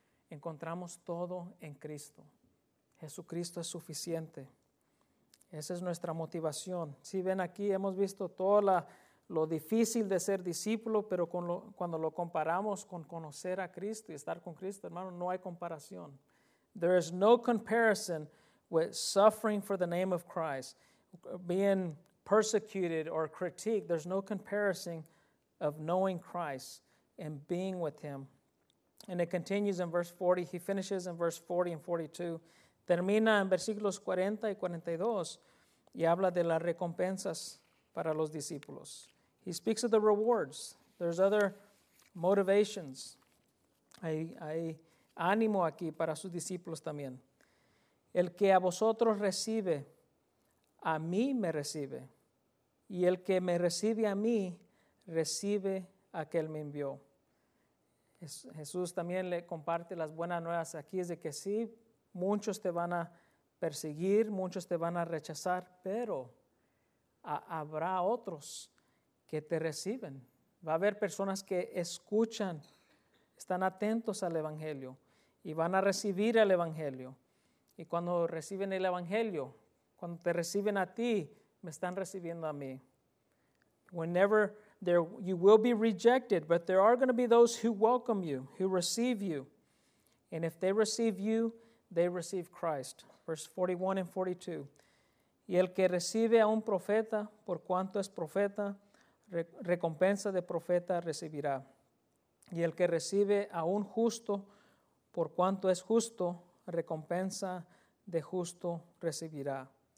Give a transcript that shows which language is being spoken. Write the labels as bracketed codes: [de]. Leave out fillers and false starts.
[es] Encontramos todo en Cristo. Jesucristo es suficiente. Esa es nuestra motivación. Si ven aquí, hemos visto todo lo difícil de ser discípulo, pero cuando lo comparamos con conocer a Cristo y estar con Cristo, hermano, no hay comparación. [en] There is no comparison with suffering for the name of Christ, being persecuted or critiqued. There's no comparison of knowing Christ and being with him. And it continues in verse 40. He finishes in verse 40 and 42. [es] Termina en versículos 40 y 42 y habla de las recompensas para los discípulos. [en] He speaks of the rewards. There's other motivations. [es] Hay ánimo aquí para sus discípulos también. El que a vosotros recibe, a mí me recibe. Y el que me recibe a mí, recibe a aquel me envió. Jesús también le comparte las buenas nuevas aquí, es de que sí, muchos te van a perseguir, muchos te van a rechazar, pero habrá otros que te reciben. Va a haber personas que escuchan, están atentos al Evangelio y van a recibir el Evangelio. Y cuando reciben el Evangelio, cuando te reciben a ti, me están recibiendo a mí. [en] Whenever you will be rejected, but there are going to be those who welcome you, who receive you. And if they receive you, they receive Christ. Verse 41 and 42. [es] Y el que recibe a un profeta, por cuanto es profeta, recompensa de profeta recibirá. Y el que recibe a un justo, por cuanto es justo, recompensa de justo recibirá.